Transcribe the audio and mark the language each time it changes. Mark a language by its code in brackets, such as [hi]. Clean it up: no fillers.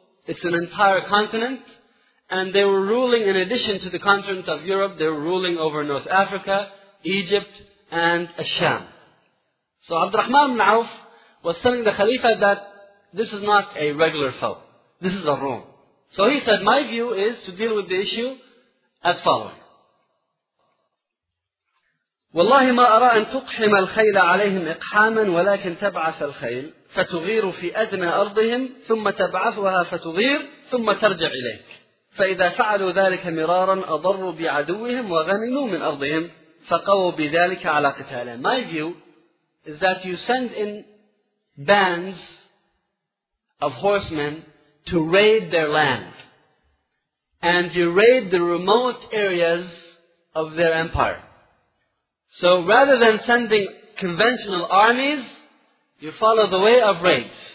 [en] It's an entire continent. And they were ruling, in addition to the continent of Europe, they were ruling over North Africa, Egypt, and Asham. So Abdurrahman ibn Awf was telling the Khalifa that this is not a regular foe. This is Ar-Rum. So he said, my view is to deal with the issue as follows. [ar] والله ما أرى أن تقحم الخيل عليهم إقحاما ولكن تبعث الخيل فتغير في أدنى أرضهم ثم تبعثها فتغير ثم ترجع إليك، فإذا فعلوا ذلك مرارا أضروا بعدوهم وغنموا من أرضهم فقووا بذلك على قتالهم. [en] My view is that you send in bands of horsemen to raid their land and you raid the remote areas of their empire. So rather than sending conventional armies, you follow the way of raids.